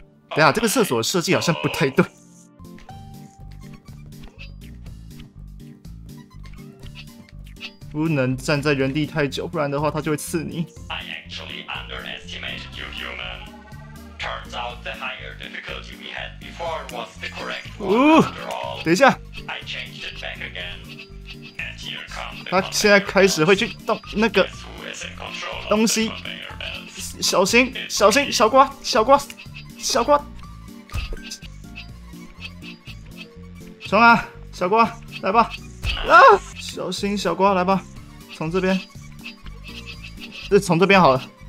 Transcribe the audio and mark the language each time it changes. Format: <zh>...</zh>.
<zh>等下，这个厕所的设计好像不太对。不能站在原地太久，不然的话他就会刺你。</zh> <en>I actually underestimated you, human. Turns out the higher difficulty we had before was the correct one. After all,</en> <zh>等一下。</zh> <en>I changed it back again. And here comes.</en> <zh>他现在开始会去动那个东西。小心，小心，小瓜，小瓜，小瓜。冲啊，小瓜，来吧。啊！小心，小瓜，来吧，从这边，从这边好了。</zh>